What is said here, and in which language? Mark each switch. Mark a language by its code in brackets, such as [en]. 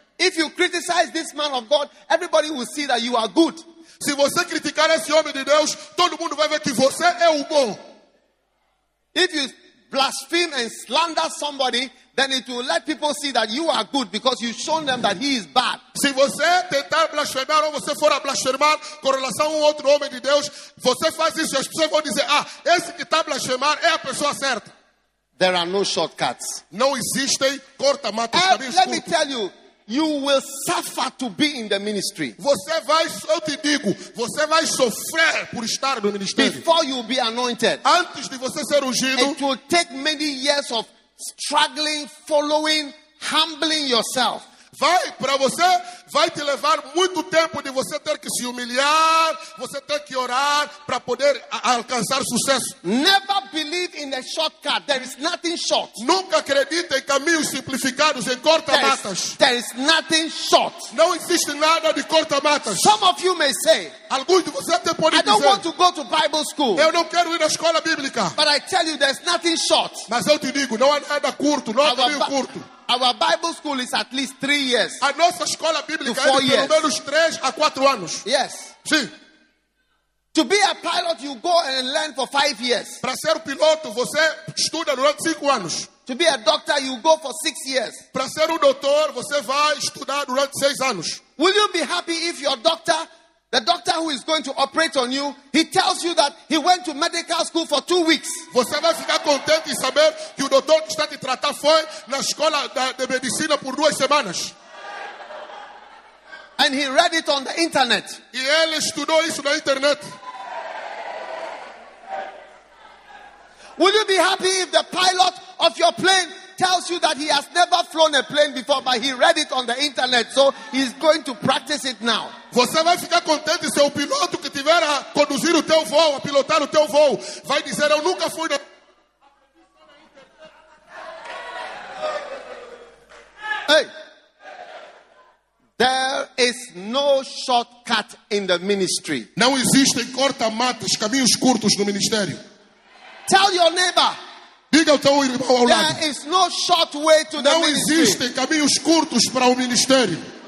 [en] If you criticize this man of God, everybody will see that you are good. [pt] Se você criticar esse homem de Deus, todo mundo vai ver que você é o bom. [en] If you blaspheme and slander somebody, then it will let people see that you are good because you've shown them that he is bad. [pt] Se você tentar blasfemar ou você for a blasfemar com relação a um outro homem de Deus, você faz isso e as pessoas vão dizer, esse que está blasfemar é a pessoa certa. [en] There are no shortcuts. [pt] Não existem corta-matas, caminhos curtos. [en] Let me tell you, you will suffer to be in the ministry. [pt] Você vai, eu te digo, você vai sofrer por estar no ministério. [en] Before you be anointed, [pt] antes de você ser ungido, [en] it will take many years of struggling, following, humbling yourself. [pt] Vai para você, vai te levar muito tempo de você ter que se humilhar, você ter que orar para poder alcançar sucesso. [en] Never believe in a shortcut. There is nothing short. [pt] Nunca acredite em caminhos simplificados, em corta-matas. [en] There is nothing short. [pt] Não existe nada de corta-matas. [en] Some of you may say, [pt] alguns de vocês até podem dizer, [en] I don't want to go to Bible school. [pt] Eu não quero ir à escola bíblica. [en] But I tell you, there is nothing short. [pt] Mas eu te digo, não há nada curto, não há caminho curto. [en] Our Bible school is at least 3 years. [pt] A nossa escola bíblica é de pelo menos 3 a 4 anos. [en] Yes. [pt] Sim. [en] To be a pilot, you go and learn for 5 years. [pt] Para ser piloto, você estuda durante 5 anos. [en] To be a doctor, you go for 6 years. [pt] Para ser doutor, você vai estudar durante 6 anos. [en] Will you be happy if your doctor, the doctor who is going to operate on you, he tells you that he went to medical school for 2 weeks? [pt] Você vai ficar contente em saber que o doutor que está te tratar foi na escola de medicina por 2 semanas. [en] And he read it on the internet. [pt] E ele estudou isso na internet. [en] Will you be happy if the pilot of your plane tells you that he has never flown a plane before, but he read it on the internet, so he's going to practice it now? [pt] Você vai ficar contente se o piloto que tiver a conduzir o teu voo, a pilotar o teu voo, vai dizer, eu nunca fui na... Hey. [en] There is no shortcut in the ministry. [pt] Não existem corta-matas, caminhos curtos no ministério. [en] Tell your neighbor, [pt] diga ao teu irmão ao lado. [en] There is no short way to the ministry. [pt] Não existem caminhos curtos para o ministério.